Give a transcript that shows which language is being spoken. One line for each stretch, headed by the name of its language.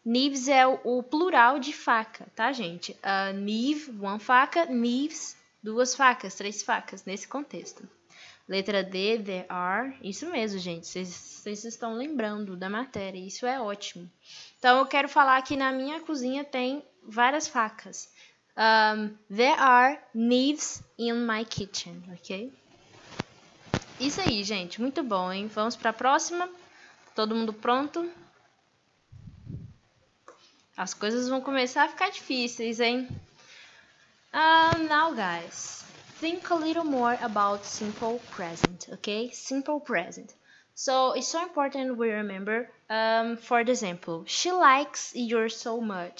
Portuguese: Knives é o plural de faca, tá, gente? Knife, one faca. Knives, duas facas, três facas, nesse contexto. Letra D, there are. Isso mesmo, gente. Vocês estão lembrando da matéria. Isso é ótimo. Então, eu quero falar que na minha cozinha tem várias facas.
English: There are knives in my kitchen, ok?
Portuguese: Isso aí, gente. Muito bom, hein? Vamos para a próxima. Todo mundo pronto? As coisas vão começar a ficar difíceis, hein?
English: Now, guys, think a little more about simple present, okay? Simple present. So, it's so important we remember, for example, she likes you so much.